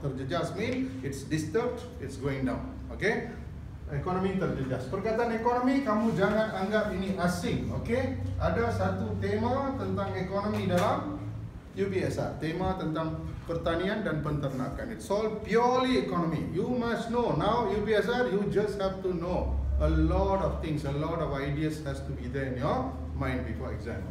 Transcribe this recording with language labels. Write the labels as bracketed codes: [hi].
[en] Terjejas mean it's disturbed, it's going down. [ms] Okay? Ekonomi terjejas. Perkataan ekonomi, kamu jangan anggap ini asing. Okay? Ada satu tema tentang ekonomi dalam UPSR. Tema tentang pertanian dan penternakan. [en] It's all purely economy. You must know. Now UPSR, you just have to know. A lot of things, a lot of ideas has to be there in your mind before exam.